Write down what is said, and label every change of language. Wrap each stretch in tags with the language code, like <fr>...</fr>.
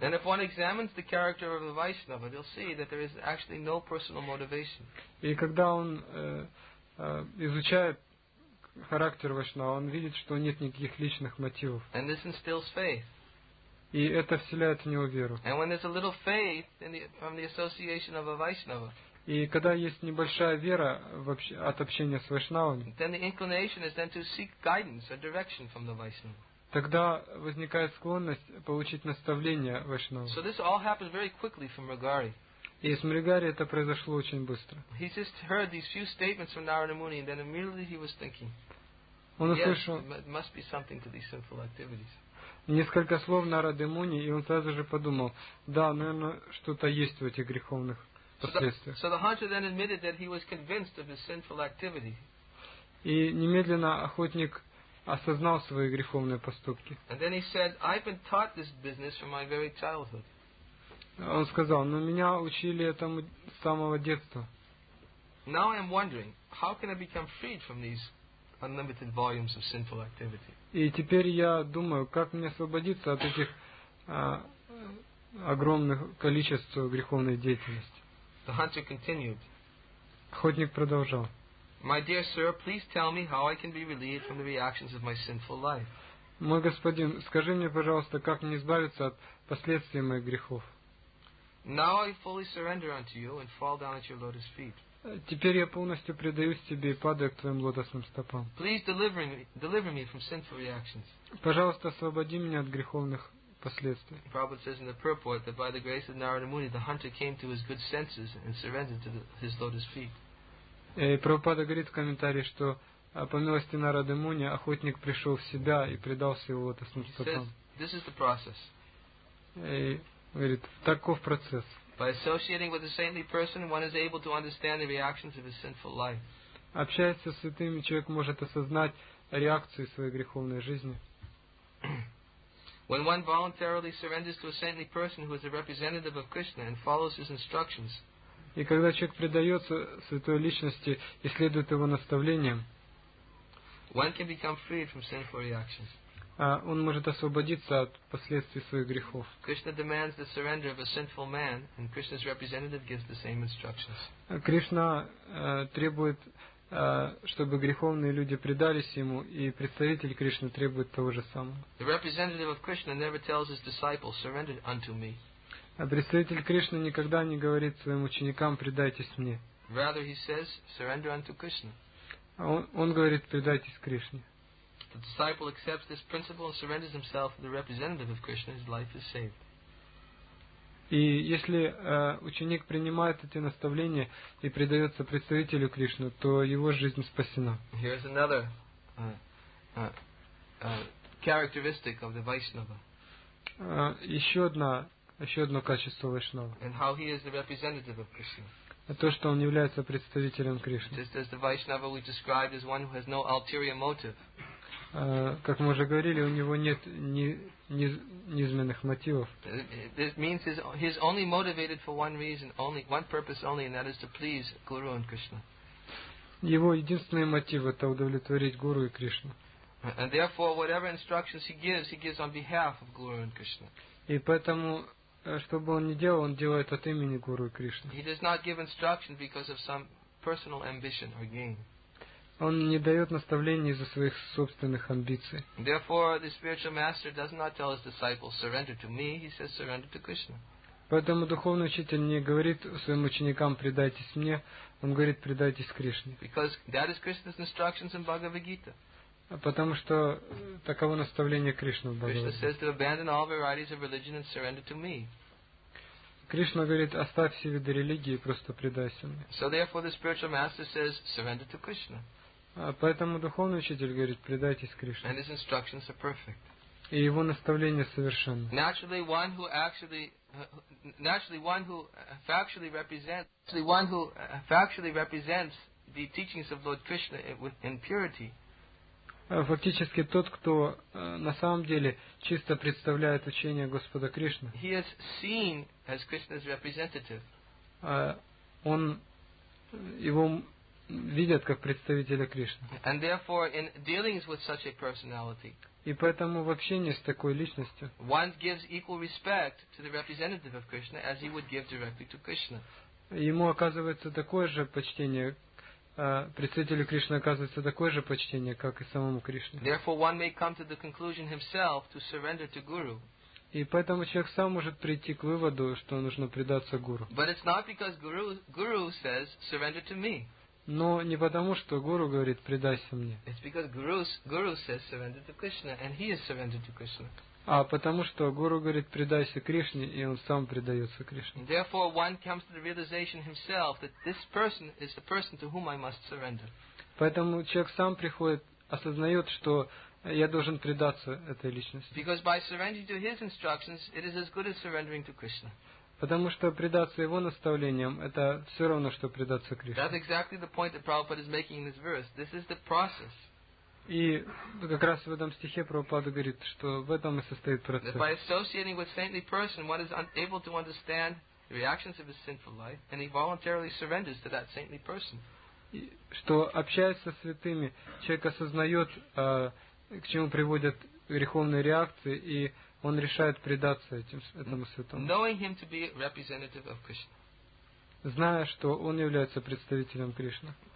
<en>And if one examines the character of a Vaishnava, they'll see that there is actually no personal motivation.</en> <ru>И когда он изучает характер Вайшнава, он видит, что нет никаких личных мотивов.</ru> <en>And this instills faith.</en> <ru>И это вселяет в него веру.</ru> <en>And when there's a little faith from the association of a Vaishnava,</en> <ru>и когда есть небольшая вера от общения с Вайшнавами,</ru> <en>then the inclination is then to seek guidance or direction from the Vaishnava.</en> <ru>Тогда возникает склонность получить наставление Вайшнава.</ru> <en>So this all happens very quickly from Mrigari.</en> <ru>И с Мригари это произошло очень быстро.</ru> <en>He just heard these few statements from Narada Muni, and then immediately he was thinking,</en> <ru>он услышал,</ru> <en>yes, must be something to these sinful activities.</en> <ru>Несколько слов Нарады Муни, и он сразу же подумал, да, наверное, что-то есть в этих греховных последствиях.</ru> <en>So the hunter then admitted that he was convinced of his sinful activity.</en> <ru>И немедленно охотник осознал свои греховные поступки.</ru> <en>And then he said, I've been taught this business from my very childhood.</en> <ru>Он сказал, но меня учили этому с самого детства.</ru> <en>Now I am wondering, how can I become freed from these unlimited volumes of sinful activity?</en> <ru>И теперь я думаю, как мне освободиться от этих огромных количеств греховной деятельности.</ru> <en>The hunter continued.</en> <ru>Охотник продолжал.</ru> <en>My dear sir, please tell me how I can be relieved from the reactions of my sinful life.</en> <ru>Мой господин, скажи мне, пожалуйста, как мне избавиться от последствий моих грехов.</ru> <en>Now I fully surrender unto you and fall down at your lotus feet.</en> <ru>Теперь я полностью предаюсь тебе и падаю к твоим лотосным стопам.</ru> <en>Please deliver me from sinful reactions.</en> <ru>Пожалуйста, освободи меня от греховных последствий.</ru> <en>Prabhupada says in the purport that by the grace of Narada Muni, the hunter came to his good senses and surrendered to his lotus feet.</en> <ru>Прабхупада говорит в комментарии, что по милости Нарады Муни охотник пришел в себя и предался его лотосным стопам.</ru> <en>He says, this is the process.</en> <ru>Говорит, таков процесс.</ru> <en>By associating with a saintly person, one is able to understand the reactions of his sinful life.</en> <ru>Общаясь со святыми, человек может осознать реакции своей греховной жизни.</ru> <en>When one voluntarily surrenders to a saintly person who is a representative of Krishna and follows his instructions.</en> <ru>И когда человек предается святой личности и следует его наставлениям.</ru> <en>One can become freed from sinful reactions.</en> <ru>Он может освободиться от последствий своих грехов.</ru> <en>Krishna demands the surrender of a sinful man, and Krishna's representative gives the same instructions.</en> <ru>Кришна требует, чтобы греховные люди предались ему, и представитель Кришны требует того же самого.</ru> <en>The representative of Krishna never tells his disciples, "Surrender unto me."</en> <ru>Представитель Кришны никогда не говорит своим ученикам, "Предайтесь мне."</ru> <en>Rather, he says, "Surrender unto Krishna."</en> <ru>Он говорит, "Предайтесь Кришне."</ru> <en>The disciple accepts this principle and surrenders himself to the representative of Krishna, his life is saved.</en> <ru>И если ученик принимает эти наставления и предается представителю Кришны, то его жизнь спасена.</ru> <en>Here's another characteristic of the Vaishnava.</en> <ru>Еще одно качество Вайшнава.</ru> <en>And how he is the representative of Krishna.</en> <ru>То, что он является представителем Кришны.</ru> <en>Just as the Vaishnava we described is one who has no ulterior motive.</en> <ru>Как мы уже говорили, у него нет низменных мотивов.</ru> <en>This means he's only motivated for one reason, only one purpose only, and that is to please Guru and Krishna.</en> <ru>Его единственный мотив – это удовлетворить Гуру и Кришну.</ru> <en>And therefore, whatever instructions he gives on behalf of Guru and Krishna.</en> <ru>И поэтому что бы он ни делал, он делает от имени Гуру и Кришны.</ru> <en>He does not give instruction because of some personal ambition or gain.</en> <ru>Он не дает наставления из-за своих собственных амбиций.</ru> <en>Therefore, the spiritual master does not tell his disciples, surrender to me, he says, surrender to Krishna.</en> <ru>Поэтому духовный учитель не говорит своим ученикам, предайтесь мне, он говорит, предайтесь Кришне.</ru> <en>Because that is Krishna's instructions in Bhagavad Gita.</en> <ru>Потому что таково наставление Кришны в Бхагавад-гите.</ru> <en>Krishna says to abandon all varieties of religion and surrender to me.</en> <ru>Кришна говорит, оставь все виды религии и просто предайся мне.</ru> <en>So therefore the spiritual master says, surrender to Krishna.</en> <ru>Поэтому духовный учитель говорит, предайтесь Кришне.</ru> <en>And his instructions are perfect.</en> <ru>И его наставление совершенно.</ru> <en>Naturally, one who actually one who factually represents the teachings of Lord Krishna in purity.</en> <ru>Фактически тот, кто на самом деле чисто представляет учение Господа Кришны.</ru> <en>He is seen as Krishna's representative.</en> <ru>Он его видят как представителя Кришны.</ru> <en>And therefore, in dealings with such a personality.</en> <ru>И поэтому в общении с такой личностью</ru> <en>one gives equal respect to the representative of Krishna as he would give directly to Krishna.</en> <ru>Ему оказывается такое же почтение, представителю Кришны оказывается такое же почтение, как и самому Кришне.</ru> <en>Therefore, one may come to the conclusion himself to surrender to Guru.</en> <ru>И поэтому человек сам может прийти к выводу, что нужно предаться Гуру.</ru> <en>But it's not because Guru says, surrender to me.</en> <ru>Но не потому, что Гуру говорит, предайся мне.</ru> <en>It's because Guru says, surrender to Krishna, and he is surrendered to Krishna.</en> <ru>А потому, что Гуру говорит, предайся Кришне, и он сам предается Кришне.</ru> <en>Therefore, one comes to the realization himself that this person is the person to whom I must surrender.</en> <ru>Поэтому человек сам приходит, осознает, что я должен предаться этой личности.</ru> <en>Because by surrendering to his instructions, it is as good as surrendering to Krishna.</en> <ru>Потому что предаться его наставлениям, это все равно, что предаться Кришне.</ru> <en>That's exactly the point that Prabhupada is making in this verse. This is the process.</en> <ru>И как раз в этом стихе Прабхупада говорит, что в этом и состоит процесс.</ru> <en>That by associating with saintly person, one is unable to understand the reactions of his sinful life, and he voluntarily surrenders to that saintly person.</en> <ru>И, что общаясь со святыми, человек осознает, к чему приводят греховные реакции, и он решает предаться этому святому.</ru> <en>Knowing him to be representative of Krishna.</en> <ru>Зная, что он является представителем Кришны.</ru>